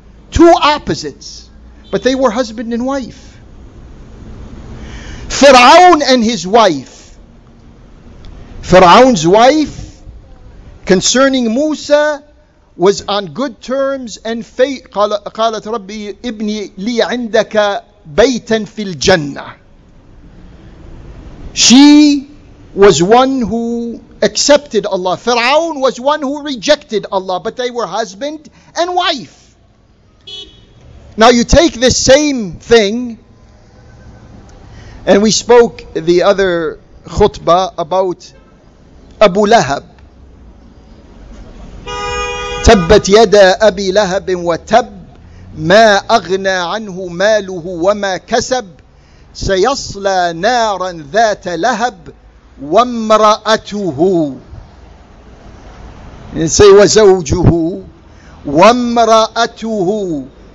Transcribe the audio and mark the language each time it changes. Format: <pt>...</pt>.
<en>Two opposites, but they were husband and wife. Fir'aun and his wife. Fir'aun's wife, concerning Musa, was on good terms and faith.</en> <ar>قالت ربي ابني لي عندك بيتا في الجنة.</ar> <en>She was one who accepted Allah. Fir'aun was one who rejected Allah, but they were husband and wife. Now you take this same thing, and we spoke the other khutbah about Abu Lahab.</en> <ar>تبت يدا أبي لهب وتب ما أغنى عنه ماله وما كسب سيصلى نارا ذات لهب وامرأته وزوجه وامرأته.</ar>